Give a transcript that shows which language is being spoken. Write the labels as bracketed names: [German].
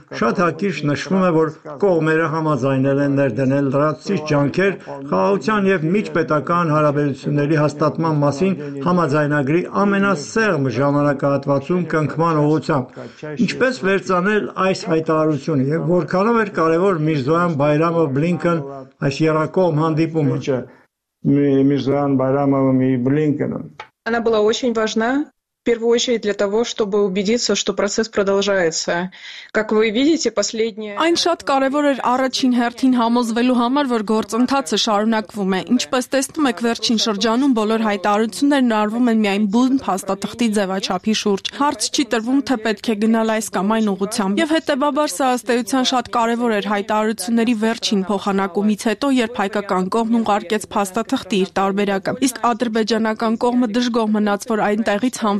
[Armenian] շատ հակիրճ նշվում է, որ կողմերը համաձայնել են ներդնել լրացուցիչ ջանքեր խաղաղության և միջպետական հարաբերությունների հաստատման մասին համաձայնագրի ամենասեղմ ժամանակահատվածում կնքման ուղղությամբ։ Ինչպես վերծանել այս հայտարարությունը և որքանով էր կարևոր Միրզոյան Բայրամով Բլինքեն այս Երակոմ հանդիպումը։ Միրզոյան Բայրամովն ու Բլինքենը։ [Russian] Она была очень важна, в первую очередь для того, чтобы убедиться, что процесс продолжается. Как вы видите, последние [Armenian] Այն շատ կարևոր էր առաջին հերթին համոզվելու համար, որ գործընթացը շարունակվում է։ Ինչպես տեսնում եք, վերջին շրջանում բոլոր հայտարարություններն արվում են միայն բուն փաստաթղթի ձևաչափի շուրջ։ Հարց չի տրվում, թե պետք է գնալ այս կամ այն ուղղությամբ։ Եվ հետևաբար սա ըստ էության շատ կարևոր էր հայտարարությունների վերջին փոխանակումից հետո, երբ հայկական կողմն ուղարկեց փաստաթղթի իր տարբերակը։ Իսկ ադրբեջանական կողմը դժգոհ մնաց, որ այնտեղից